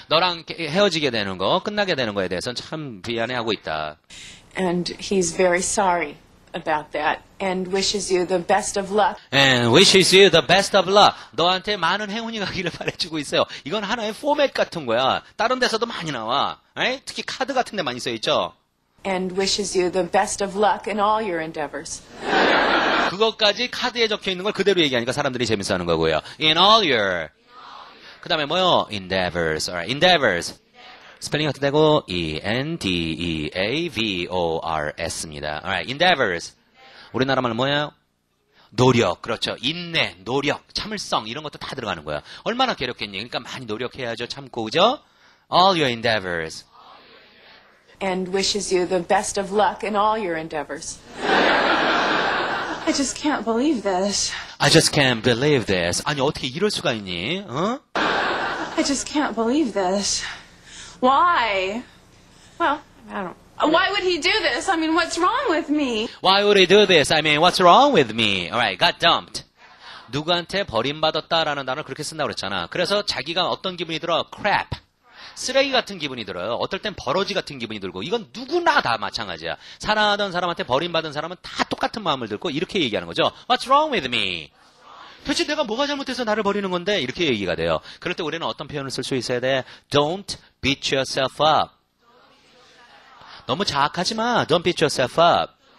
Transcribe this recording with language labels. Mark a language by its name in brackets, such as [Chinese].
[Korean] 너랑 헤어지게 되는 거, 끝나게 되는 거에 대해서는 참 미안해하고 있다. [English] And he's very sorry about that. And wishes you the best of luck. And wishes you the best of luck. [Korean] 너한테 많은 행운이 가기를 바래주고 있어요. 이건 하나의 포맷 같은 거야. 다른 데서도 많이 나와. 에이? 특히 카드 같은 데 많이 써 있죠. [English] And wishes you the best of luck in all your endeavors. [Korean] 그것까지 카드에 적혀 있는 걸 그대로 얘기하니까 사람들이 재밌어 하는 거고요. [English] In all your. [Korean] 그 다음에 뭐요? [English] Endeavors. Alright. Endeavors. [Korean] 스펠링 같은 데고, E-N-D-E-A-V-O-R-S입니다. [English] Alright. Endeavors. [Korean] 우리나라 말은 뭐예요? 노력. 그렇죠. 인내, 노력, 참을성. 이런 것도 다 들어가는 거야. 얼마나 괴롭겠니? 그러니까 많이 노력해야죠. 참고, 그죠? [English] All your endeavors. And wishes you the best of luck in all your endeavors. I just can't believe this. I just can't believe this. [Korean] 아니 어떻게 이럴 수가 있니? 어? [English] I just can't believe this. Why? Well, I don't. Why would he do this? I mean, what's wrong with me? Why would he do this? I mean, what's wrong with me? All right, got dumped. [Korean] 누구한테 버림받았다라는 단어를 그렇게 쓴다고 그랬잖아. 그래서 자기가 어떤 기분이 들어? [English] Crap. [Korean] 쓰레기 같은 기분이 들어요. 어떨 땐 버러지 같은 기분이 들고. 이건 누구나 다 마찬가지야. 사랑하던 사람한테 버림받은 사람은 다 똑같은 마음을 들고 이렇게 얘기하는 거죠. [English] What's wrong with me? [Korean] 도대체 내가 뭐가 잘못해서 나를 버리는 건데? 이렇게 얘기가 돼요. 그럴 때 우리는 어떤 표현을 쓸 수 있어야 돼? [English] Don't beat yourself up. [Korean] 너무 자학하지 마. [English] Don't beat yourself up.